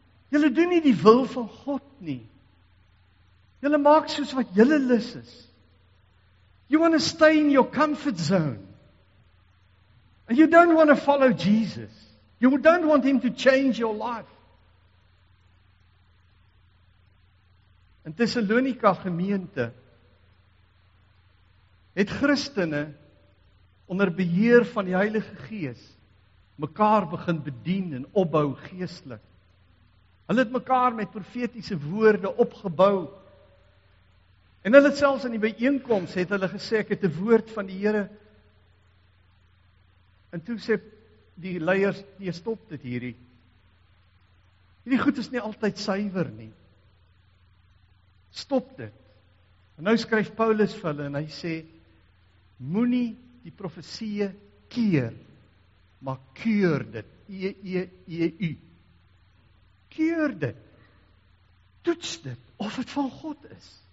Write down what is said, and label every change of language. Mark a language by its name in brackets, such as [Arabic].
[Afrikaans] Julle doen nie die wil van God nie. Julle maak soos wat julle lus is. [English] You want to stay in your comfort zone. And you don't want to follow Jesus. You don't want him to change your life. [Afrikaans] In Thessalonica gemeente het Christene onder beheer van die Heilige Gees mekaar begin bedien en opbou geestelik. Hulle het mekaar met profetiese woorde opgebou en hulle het selfs in die bijeenkomst het hulle gesê, ek het die woord van die Here. En toe sê die leiers, jy stop dit hierdie. Hierdie goed is nie altyd suiwer nie. Stop dit. En nou skryf Paulus vir hulle en hy sê, moenie die profesie keer, maar keur dit. E-E-E-U. Keur dit. Toets dit, of het van God is.